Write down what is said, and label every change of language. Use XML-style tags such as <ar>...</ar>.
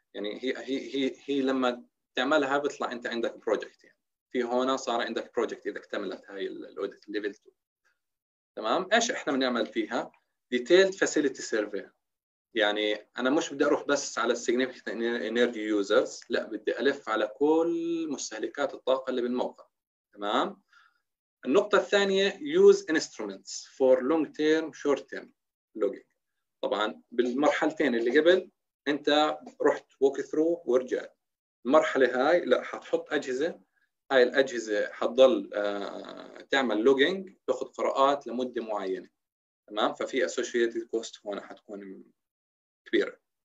<ar>يعني هي لما تعملها بيطلع انت عندك بروجكت، يعني في هون صار عندك بروجكت اذا اكتملت هاي الاوديت ليفل 2. تمام، ايش احنا بنعمل فيها؟ ديتيلد فاسيليتي سيرفي. يعني أنا مش بدي أروح بس على</ar> <en>significant energy users،</en> <ar>لا بدي ألف على كل مستهلكات الطاقة اللي بالموقع. تمام، النقطة الثانية،</ar> <en>use instruments for long term short term logging.</en> <ar>طبعا بالمرحلتين اللي قبل أنت رحت</ar> <en>walk through</en> <ar>ورجعت، المرحلة هاي لا حتحط أجهزة، هاي الأجهزة حتظل تعمل logging، تأخذ قراءات لمدة معينة. تمام، ففي</ar> <en>associated cost</en> <ar>هنا حتكون كبيرة.</ar>